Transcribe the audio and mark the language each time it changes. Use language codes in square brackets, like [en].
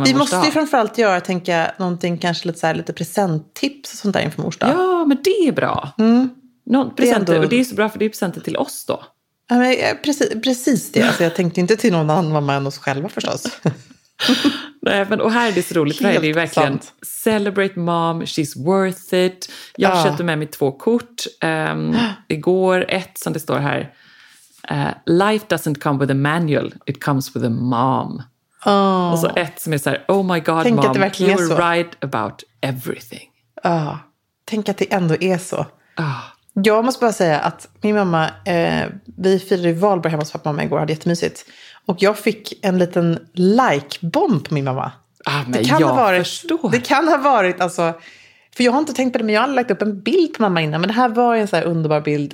[sv] morsdag. Vi måste ju framförallt göra, tänka någonting kanske lite så här, lite presenttips och sånt där inför morsdag. Ja, men det är bra. Mm. Någon present, och det är så bra för det är presenter till oss då. Ja, men precis det. Alltså, jag tänkte inte till någon annan än oss själva förstås. Nej, men och här är det så roligt. Helt, det är verkligen sant. [en] Celebrate mom, she's worth it. [sv] Jag köpte med mig två kort. Igår, ett som det står här. [en] Life doesn't come with a manual, it comes with a mom. Oh. [sv] Och så ett som är så här, [en] oh my god. [sv] Tänk [en] mom, [sv] att det verkligen [en] you're [sv] är så. [en] Right about everything. [sv] Tänk att det ändå är så. Oh. Jag måste bara säga att min mamma, vi firade Valborg hemma hos pappa och mamma igår, hade jättemysigt. Och jag fick en liten like-bomb på min mamma. Ah, men det kan jag ha varit, förstår. Det kan ha varit, alltså, för jag har inte tänkt på det, men jag har lagt upp en bild på mamma innan. Men det här var ju en så här underbar bild.